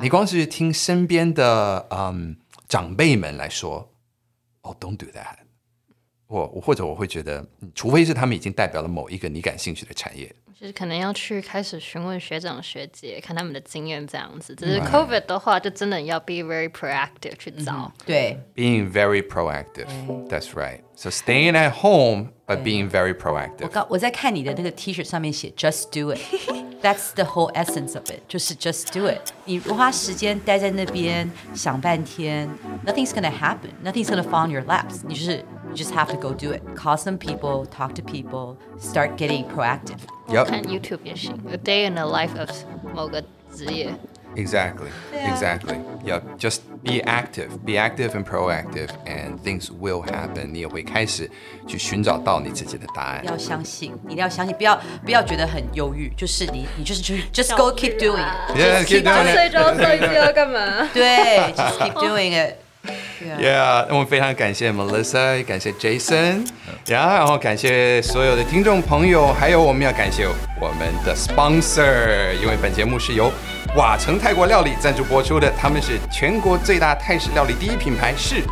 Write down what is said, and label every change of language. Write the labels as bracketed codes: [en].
[zh] 你光是听身边的长辈们来说 ， [en] Oh, don't do that。 [zh] 或者我会觉得除非是他们已经代表了某一个你感兴趣的产业，就是可能要去开始询问学长学姐看他们的经验这样子，只是 COVID 的话就真的要 [en] be very proactive [zh] 去找、对 [en] being very proactive、that's right， so staying at home but being very proactive。 [zh] 我在看你的那个 T-shirt 上面写 [en] just do it， that's the whole essence of it， 就是 just do it， [zh] 你花时间待在那边想半天 [en] nothing's gonna happen， nothing's gonna fall on your laps， [zh] 你就是 [en] You just have to go do it. Call some people, talk to people, start getting proactive. Yep. 看 YouTube 也行 A day in the life of [zh] 某个职业 [en] Exactly.、 Yeah. Exactly. Yep. Just be active. Be active and proactive, and things will happen. [zh] 你也会开始去寻找到你自己的答案。要相信，一定要相信，不要觉得很犹豫。就是你就是 [en] just go keep doing it. Yeah, keep doing it. [zh] 睡着睡觉干嘛？ [en] 对 ，just keep doing it. [zh] Yeah, 我们非常感谢 Melissa， 感谢 Jason， yeah， 然后感谢所有的听众朋友，还有我们要感谢我们的 sponsor， 因为本节目是由瓦城泰国料理赞助播出的，他们是全国最大泰式料理第一品牌，是